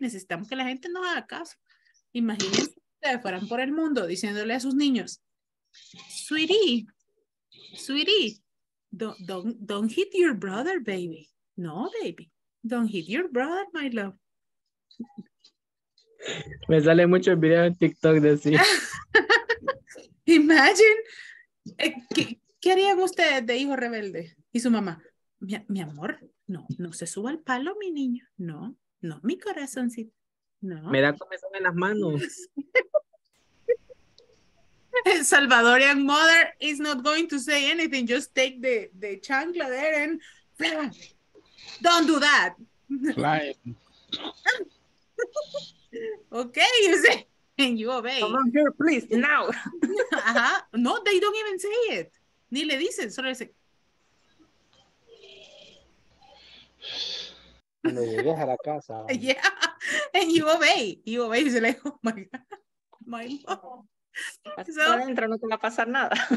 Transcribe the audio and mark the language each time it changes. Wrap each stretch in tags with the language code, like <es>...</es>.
<es>Necesitamos que la gente nos haga caso. Imagínense si ustedes fueran por el mundo diciéndole a sus niños,</es> <en>sweetie, don't hit your brother, baby. No, baby, don't hit your brother, my love.</en> <es>Me sale mucho el video en TikTok de así. Imagine, ¿qué harían ustedes de hijo rebelde? Y su mamá, mi amor, no, no se suba al palo, mi niño. No, no, mi corazoncito. No. Me da comezón en las manos.</es> <en>Salvadorian mother is not going to say anything. Just take the chancla there and flash. Don't do that. Okay, you say, and you obey. Come on here, please, now. Uh-huh. No, they don't even say it.</en> <es>Ni le dicen, solo le dicen. Cuando llegues a la casa.</es> <en>Yeah, and you obey. You obey, you say, like, oh my God, my mom.</en> <es>So, para adentro no te va a pasar nada.</es>